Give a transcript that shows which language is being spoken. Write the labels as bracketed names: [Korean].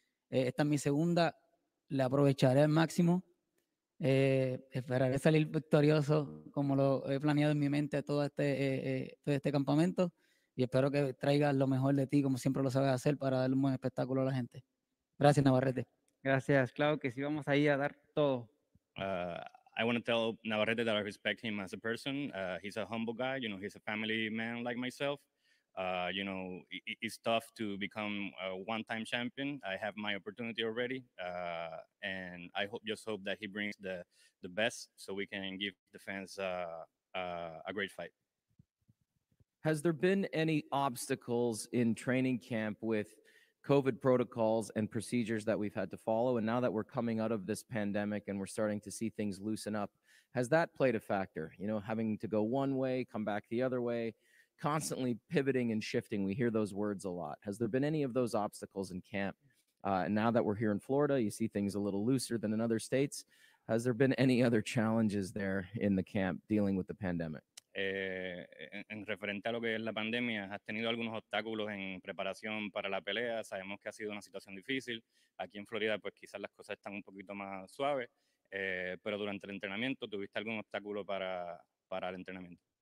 [Spanish] Esta es mi segunda, la aprovecharé al máximo. Esperaré salir victorioso como lo he planeado en mi mente todo este campamento y espero que traigas lo mejor de ti como siempre lo sabes hacer para dar un buen espectáculo a la gente. Gracias, Navarrete. Gracias, claro que sí, vamos ahí a dar todo. [English] I want to tell Navarrete that I respect him as a person. He's a humble guy, you know, he's a family man like myself. You know, it's tough to become a one-time champion. I have my opportunity already, and I just hope that he brings the best so we can give the fans a great fight. Has there been any obstacles in training camp with COVID protocols and procedures that we've had to follow? And now that we're coming out of this pandemic and we're starting to see things loosen up, has that played a factor? You know, having to go one way, come back the other way, constantly pivoting and shifting. We hear those words a lot. Has there been any of those obstacles in camp? And now that we're here in Florida, you see things a little looser than in other states. Has there been any other challenges there in the camp dealing with the pandemic? [Spanish] En referente a lo que es la pandemia, ¿has tenido algunos obstáculos en preparación para la pelea? Sabemos que ha sido una situación difícil. Aquí en Florida, pues quizás las cosas están un poquito más suaves. Pero durante el entrenamiento, ¿tuviste algún obstáculo para el entrenamiento?